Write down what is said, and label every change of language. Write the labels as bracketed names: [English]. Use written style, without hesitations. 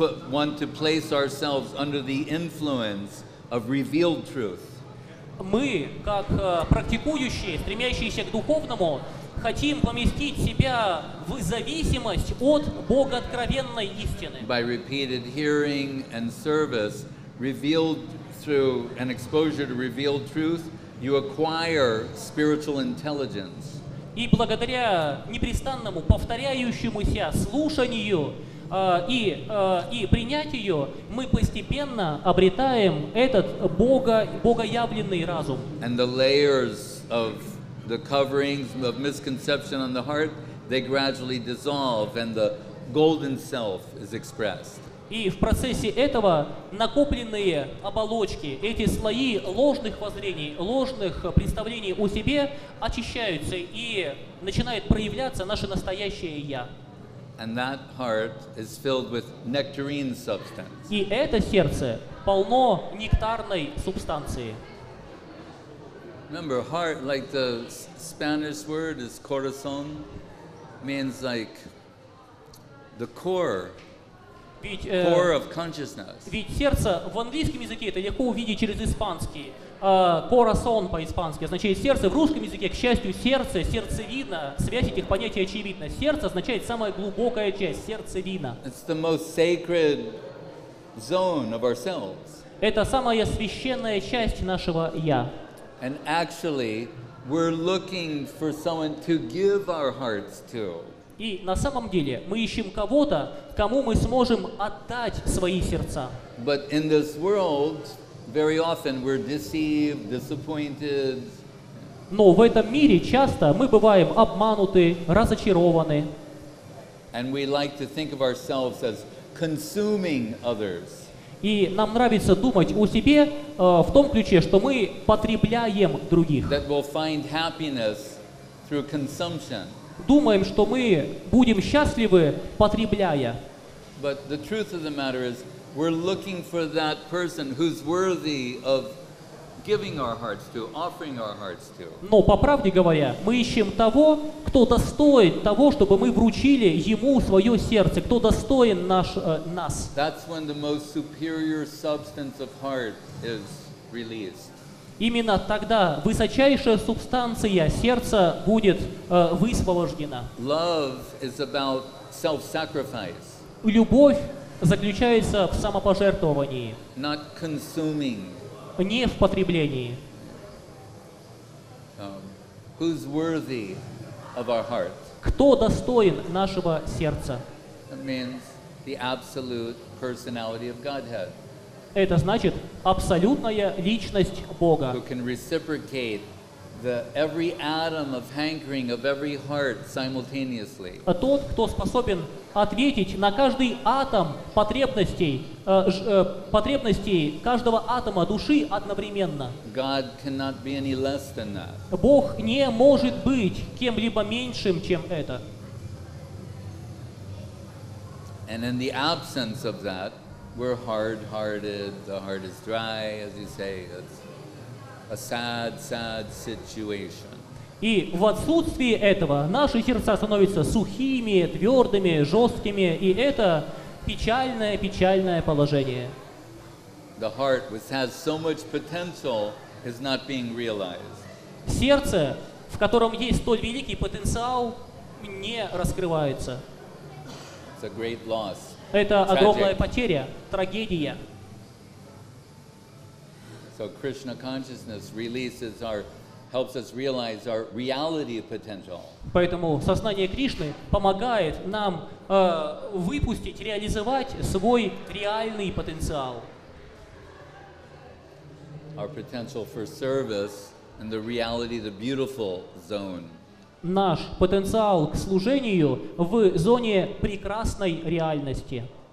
[English] want to place ourselves under the influence of revealed truth. [Russian] Мы, как практикующие, стремящиеся к духовному, хотим поместить себя в зависимость от богооткровенной истины. [English] By repeated hearing and service, revealed through an exposure to revealed truth, you acquire spiritual intelligence. [Russian] И благодаря непрестанному повторяющемуся слушанию и принятию, мы постепенно обретаем этот богоявленный разум. [English] And the layers of the coverings of misconception on the heart, they gradually dissolve and the golden self is expressed. [Russian] И в процессе этого накопленные оболочки, эти слои ложных воззрений, ложных представлений о себе очищаются и начинает проявляться наше настоящее «я». [English] And that heart is filled with nectarine substance. [Russian] И это сердце полно нектарной субстанции. [English] Remember, heart, like the Spanish word is corazón, means like the core. Core of consciousness. [Russian] Ведь сердце в английском языке это легко увидеть через испанский. Corazón по-испански означает сердце. В русском языке, к счастью, сердце, сердцевина. Связь этих понятий очевидна. Сердце означает самая глубокая часть, сердцевина. [English] It's the most sacred zone of ourselves. [Russian] Это самая священная часть нашего «я». [English] And actually, we're looking for someone to give our hearts to. [Russian] И на самом деле мы ищем кого-то, кому мы сможем отдать свои сердца. [English] But in this world, very often we're deceived, disappointed. [Russian] Но в этом мире часто мы бываем обмануты, разочарованы. [English] And we like to think of ourselves as consuming others. [Russian] И нам нравится думать о себе в том ключе, что мы потребляем других. [English] That we'll find happiness through consumption. [Russian] Думаем, что мы будем счастливы, потребляя. [English] But the truth of the matter is, we're looking for that person who's worthy of giving our hearts to, offering our hearts to. [Russian] Но по правде говоря, мы ищем того, кто достоин того, чтобы мы вручили ему свое сердце, кто достоин нас. [English] That's when the most superior substance of heart is released. [Russian] Именно тогда высочайшая субстанция сердца будет высвобождена. [English] Love is about self-sacrifice. [Russian] Любовь заключается в самопожертвовании. [English] Not consuming. [Russian] Не в потреблении. [English] Who's worthy of our heart? [Russian] Кто достоин нашего сердца? [English] That means the absolute personality of Godhead. [Russian] Это значит абсолютная личность Бога. [English] Who can reciprocate the every atom of hankering of every heart simultaneously. [Russian] А тот, кто способен ответить на каждый атом потребностей каждого атома души одновременно. [English] God cannot be any less than that. [Russian] Бог не может быть кем-либо меньшим, чем это. [English] And in the absence of that, we're hard-hearted, the heart is dry, as you say, it's a sad, sad situation. [Russian] И в отсутствии этого наши сердца становятся сухими, твердыми, жесткими, и это печальное, печальное положение. [English] The heart, which has so much potential, is not being realized. [Russian] Сердце, в котором есть столь великий потенциал, не раскрывается. [English] It's a great loss. [Russian] Это огромная потеря, трагедия. [English] So Krishna consciousness releases our, helps us realize our reality potential. [Russian] Поэтому сознание Кришны помогает нам выпустить, реализовать свой реальный потенциал. [English] Our potential for service and the reality, the beautiful zone. [Russian] Наш потенциал к служению в зоне прекрасной реальности.